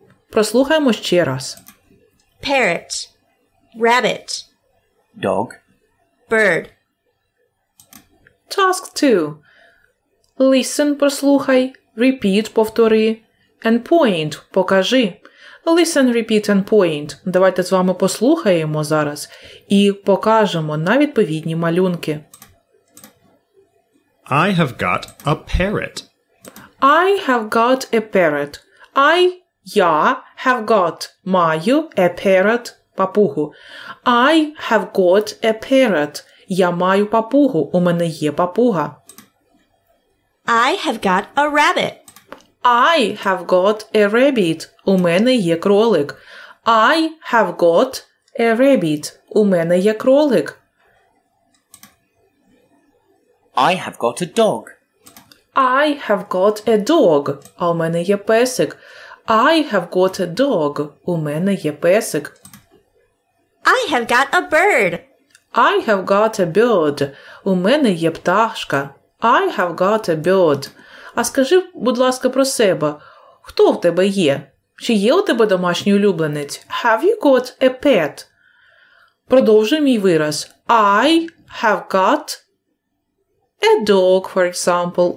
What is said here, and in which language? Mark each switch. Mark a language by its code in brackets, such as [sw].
[uk] Прослухаємо ще раз. [en] Parrot, rabbit, dog, bird. Task 2. Listen, [uk] прослухай, [en] repeat, [uk] повтори, [en] and point, [uk] покажи. [en] Listen, repeat and point. [uk] Давайте з вами послухаємо зараз і покажемо на відповідні малюнки. [en] I have got a parrot. I have got a parrot. [uk] Я [en] have got, [uk] маю [en] a parrot, [uk] папугу. [en] I have got a parrot. [uk] Я маю папугу, у мене є папуга. [en] I have got a rabbit. I have got a rabbit. [uk] У мене є кролик. [en] I have got a rabbit. [uk] У мене є кролик. [en] I have got a dog. I have got a dog. [uk] А у мене є песик. [en] I have got a dog. [uk] У мене є песик. [en] I have got a bird. I have got a bird. [uk] У мене є пташка. [en] I have got a bird. [uk] А скажи, будь ласка, про себе. Хто в тебе є? Чи є у тебе домашній улюбленець? [en] Have you got a pet? [uk] Продовжуй мій вираз. [en] I have got a dog, for example.